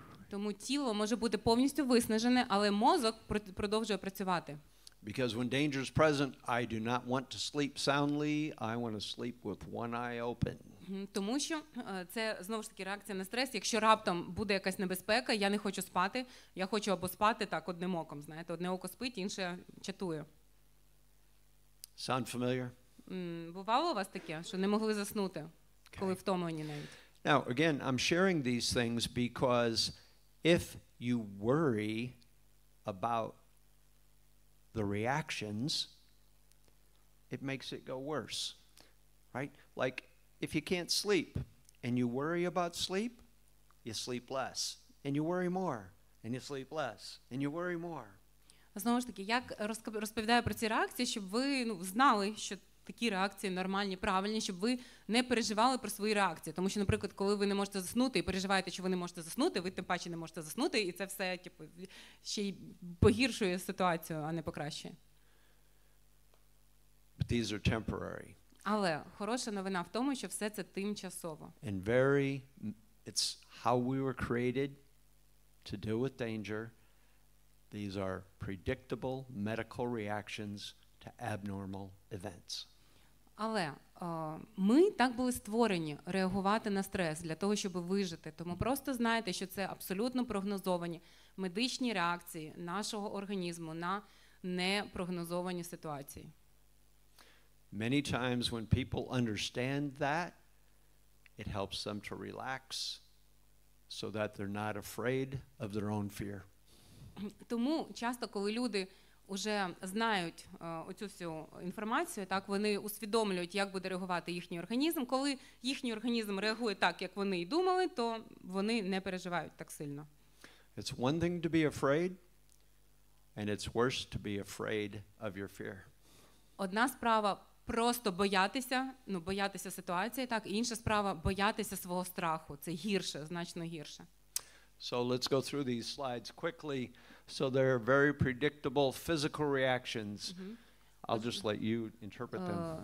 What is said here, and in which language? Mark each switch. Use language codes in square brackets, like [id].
[uk] Тому тіло може бути повністю виснажене, але мозок продовжує працювати. [en] Because when danger is present, I do not want to sleep soundly. I want to sleep with one eye open. [uk] Тому що це знову ж таки реакція на стрес. Якщо раптом буде якась небезпека, я не хочу спати. Я хочу або спати так одним оком, знаєте, одне око спить, інше чатує. [en] Sound familiar? [uk] Бувало у вас таке, що не могли заснути, коли втомлені навіть? [en] Now, again, I'm sharing these things because if you worry about the reactions, it makes it go worse, right? Like, if you can't sleep and you worry about sleep, you sleep less, and you worry more, and you sleep less, and you worry more. [uk] Знову ж таки, як розповідаю про ці реакції, щоб ви, ну, знали, що такі реакції нормальні, правильні, щоб ви не переживали про свої реакції. Тому що, наприклад, коли ви не можете заснути і переживаєте, що ви не можете заснути, ви тим паче не можете заснути, і це все, типу, ще й погіршує ситуацію, а не покращує. [en] But these are temporary. [uk] Але хороша новина в тому, що все це тимчасово. [en] And very, it's how we were created to deal with danger. These are predictable medical reactions to abnormal events. [uk] Але ми так були створені реагувати на стрес для того, щоб вижити. Тому просто знаєте, що це абсолютно прогнозовані медичні реакції нашого організму на непрогнозовані ситуації. [en] Many times when people understand that, it helps them to relax so that they're not afraid of their own fear. [uk] Тому часто, коли люди уже знають оцю всю інформацію, так вони усвідомлюють, як буде реагувати їхній організм. Коли їхній організм реагує так, як вони і думали, то вони не переживають так сильно. [en] It's one thing to be afraid, and it's worse to be afraid of your fear. [uk] Одна справа просто боятися, ну, боятися ситуації, так, і інша справа боятися свого страху. Це гірше, значно гірше. [en] So let's go through these slides quickly. So there are very predictable physical reactions. I'll just let you interpret them.